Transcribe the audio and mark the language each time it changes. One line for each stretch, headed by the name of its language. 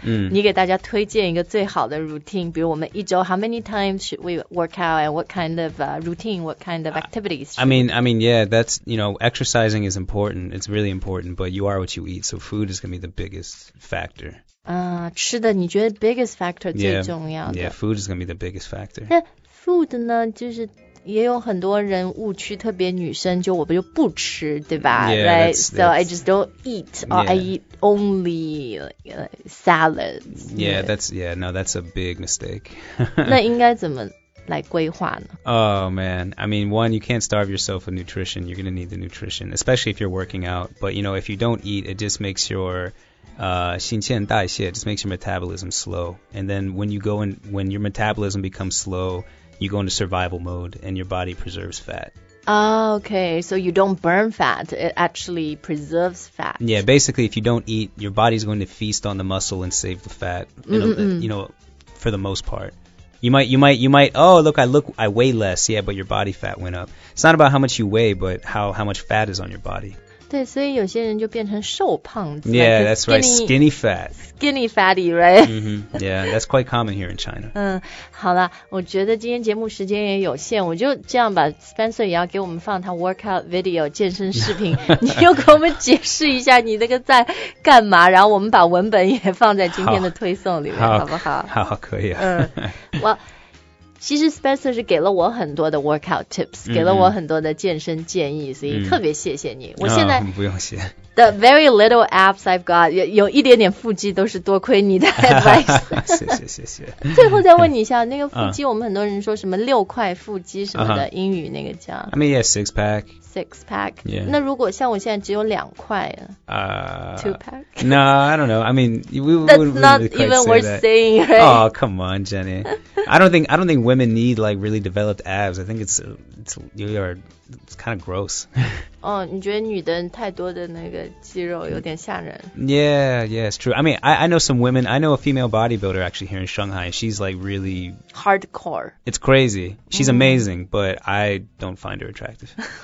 Chinese: 你给大家推荐一个最好的
English: routine，
Chinese: 比如我们一周
English: how many times should we work out and what kind of routine, what kind of activities? I mean, yeah, that's you know, exercising is important. It's really important, but you are what you eat, so food is gonna be the biggest factor.
Chinese: 吃的你觉得
English: biggest factor
Chinese: 最重要的
English: ？Yeah, food is gonna be the biggest factor.
Chinese: Food 呢，就是也有很多人误区，特别女生就我们就不吃，对吧
English: yeah, that's, so I just don't eat, or I eat only salads. Yeah, that's yeah, no, that's a big mistake.
Chinese: 那应该怎么来规划呢
English: ？Oh man, I mean, one, you can't starve yourself with nutrition. You're gonna need the nutrition, especially if you're working out. But you know, if you don't eat, it just makes your新陈代谢 just makes your metabolism slow. And then when your metabolism becomes slow. You go into survival mode and your body preserves fat. Oh, okay. So you don't burn fat. It actually preserves fat. Yeah, basically, if you don't eat, your body's going to feast on the muscle and save the fat, you know, for the most part. You might, oh, look, I weigh less. Yeah, but your body fat went up. It's not about how much you weigh, but how much fat is on your body.
Chinese: 对，所以有些人就变成瘦胖子。
English: Yeah, that's right, skinny fat. Skinny fatty, right? Mm-hmm. Yeah, that's quite common here in China.
Chinese: 好了，我觉得今天节目时间也有限，我就这样吧。 Spencer 也要给我们放他 workout video 健身视频，你又给我们解释一下你那个在干嘛，然后我们把文本也放在今天的推送里面，好不好？好，可以啊。其实 Spencer 是给了我很多的 workout tips,、给了我很多的健身建议，所以特别谢谢你。我现在、不用谢。
English: The very little abs I've got,
Chinese: 有一点点腹肌都是多亏你的 advice。谢谢。最后再问你一下，那个腹肌我们很多人说什么六块腹肌什么的，英语那个叫。
English: I mean, yeah, six pack. Six pack. Yeah. 那如果像我现在只有两块啊。 Two pack? No, I don't know. I mean, we wouldn't even say that. Right? Oh, come on, Jenny. I don't think women need like really developed abs. I think it's kind of gross.
Chinese: 你觉得女的太多的那个肌肉有点吓人。
English: Yeah, it's true. I mean, I know some women. I know a female bodybuilder actually here in Shanghai. She's like really hardcore. It's crazy. She's amazing, but I don't find her attractive.